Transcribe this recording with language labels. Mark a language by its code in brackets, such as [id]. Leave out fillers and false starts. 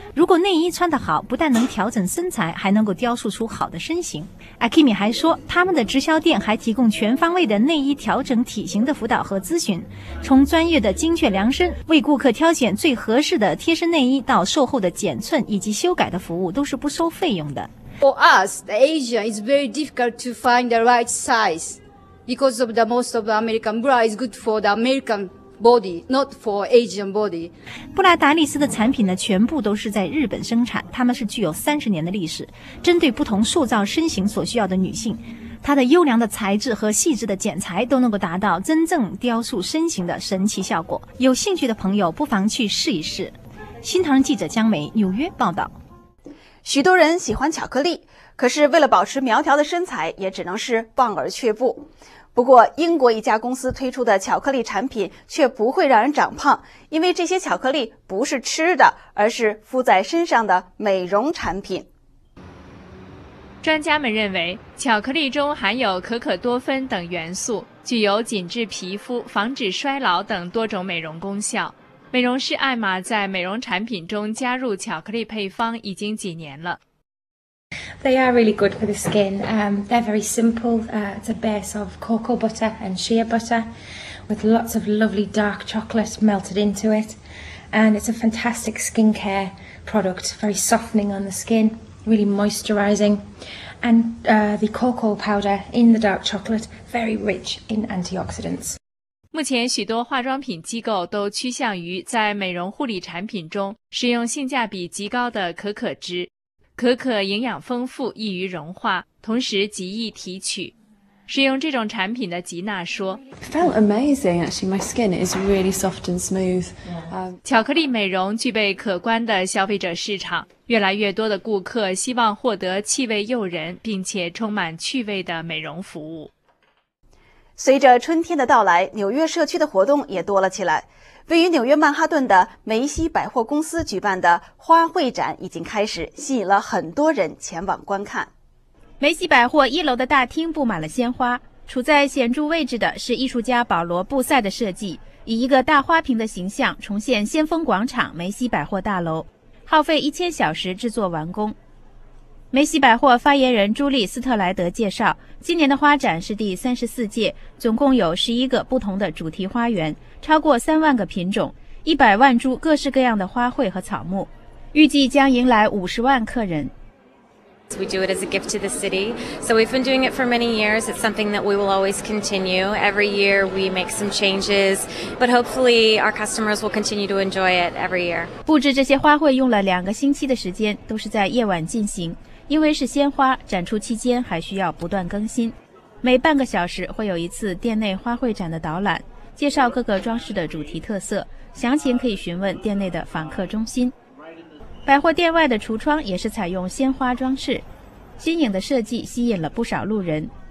[zh] 如果内衣穿得好，不但能调整身材，还能够雕塑出好的身形。 Akimi 还说，他们的直销店还提供全方位的内衣调整体型的辅导和咨询，从专业的精确量身为顾客挑选最合适的贴身内衣，到售后的剪寸以及修改的服务，都是不收费用的。 [en] For us, the Asian, it's very difficult to find the right size because of the most of the American bra is good for the American body, not for Asian body. [zh] 布拉达利斯的产品呢，全部都是在日本生产，他们是具有30年的历史，针对不同塑造身形所需要的女性。它的优良的材质和细致的剪裁都能够达到真正雕塑身形的神奇效果，有兴趣的朋友不妨去试一试。新唐人记者江梅，纽约报道。许多人喜欢巧克力，可是为了保持苗条的身材也只能是望而却步。不过英国一家公司推出的巧克力产品却不会让人长胖，因为这些巧克力不是吃的，而是敷在身上的美容产品。专家们认为，巧克力中含有可可多酚等元素，具有紧致皮肤、防止衰老等多种美容功效。美容师艾玛在美容产品中加入巧克力配方已经几年了。 [en] They are really good for the skin. They're very simple. It's a base of cocoa butter and shea butter with lots of lovely dark chocolate melted into it. And it's a fantastic skincare product, very softening on the skin. Really moisturizing, and the cocoa powder in the dark chocolate, very rich in antioxidants. [zh] 目前许多化妆品机构都趋向于在美容护理产品中使用性价比极高的可可脂。可可营养丰富，易于融化，同时极易提取。使用这种产品的吉娜说 [en] It felt amazing, actually, my skin is really soft and smooth. [zh] 巧克力美容具备可观的消费者市场，越来越多的顾客希望获得气味诱人并且充满趣味的美容服务。随着春天的到来，纽约社区的活动也多了起来。位于纽约曼哈顿的梅西百货公司举办的花卉展已经开始，吸引了很多人前往观看。梅西百货一楼的大厅布满了鲜花，处在显著位置的是艺术家保罗·布塞的设计，以一个大花瓶的形象重现先锋广场梅西百货大楼，耗费1000小时制作完工。梅西百货发言人朱莉·斯特莱德介绍，今年的花展是第34届，总共有11个不同的主题花园，超过3万个品种，100万株各式各样的花卉和草木，预计将迎来50万客人。 [en] We do it as a gift to the city. So we've been doing it for many years. It's something that we will always continue. Every year we make some changes, but hopefully our customers will continue to enjoy it every year. [zh] 布置这些花卉用了2个星期的时间，都是在夜晚进行。因为是鲜花，展出期间还需要不断更新。每半个小时会有一次店内花卉展的导览，介绍各个装饰的主题特色。详情可以询问店内的访客中心。百货店外的橱窗也是采用鲜花装饰，新颖的设计吸引了不少路人。